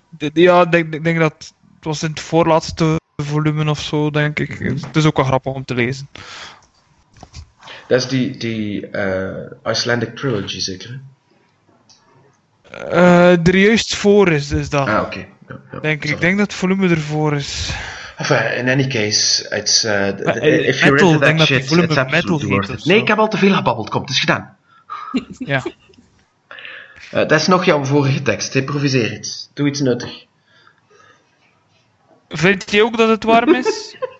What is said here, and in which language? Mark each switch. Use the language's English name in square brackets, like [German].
[Dutch] Ik denk dat het was in het voorlaatste volume of zo, denk ik. Het is ook wel grappig om te lezen. Dat is die Icelandic Trilogy, zeker? Er juist voor is dat. Ah, oké. [English] Okay. [Dutch] Ik denk dat het volume ervoor is. [English] In any case, if you're into that shit, it's absolutely worth it. [Dutch] Nee, ik heb al te veel gebabbeld. Kom, het is gedaan. Ja. Dat is nog jouw vorige tekst. Improviseer iets. Doe iets nuttig. Vind je ook dat het warm is?